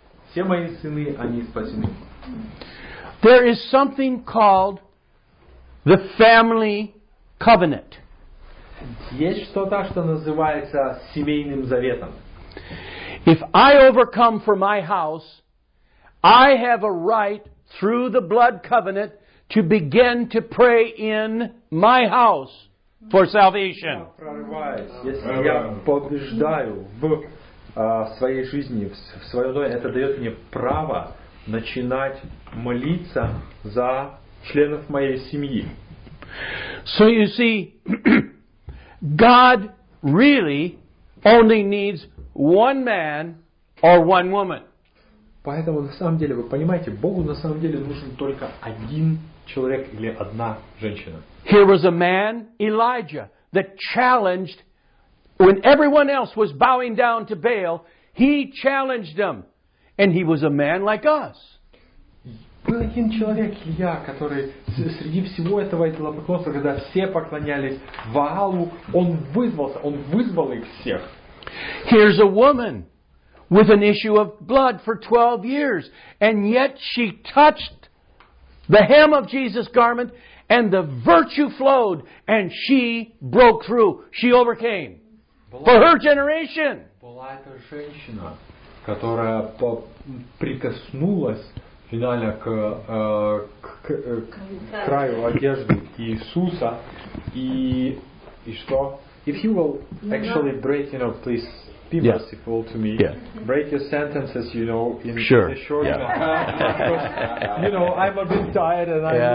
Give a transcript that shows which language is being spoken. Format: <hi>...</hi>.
<ru>Все мои сыны, они спасены.</ru> <en>There is something called the family covenant.</en> <ru>Есть что-то, что называется семейным заветом.</ru> <en>If I overcome for my house, I have a right through the blood covenant to begin to pray in my house for salvation.</en> <ru>Если я побеждаю в своей жизни, в своем доме, это дает мне право начинать молиться за членов моей семьи.</ru> <en>So you see, God really only needs one man or one woman.</en> <ru>Поэтому на самом деле, вы понимаете, Богу на самом деле нужен только один человек или одна женщина.</ru> <en>Here was a man, Elijah, that challenged. When everyone else was bowing down to Baal, he challenged them. And he was a man like us.</en> <ru>Был один человек, Илья, который среди всего этого идолопоклонства, когда все поклонялись Ваалу, он вызвал их всех.</ru> <en>Here's a woman with an issue of blood for 12 years, and yet she touched the hem of Jesus' garment, and the virtue flowed, and she broke through. She overcame. For her generation.</en> <ru>Была эта женщина, которая прикоснулась финально к краю одежды Иисуса, и что?</ru> <en>If you will actually break, you know, please be merciful to me. Yeah. Break your sentences, you know, in sure. a short yeah. time. Because, you know, I'm a bit tired and,</en>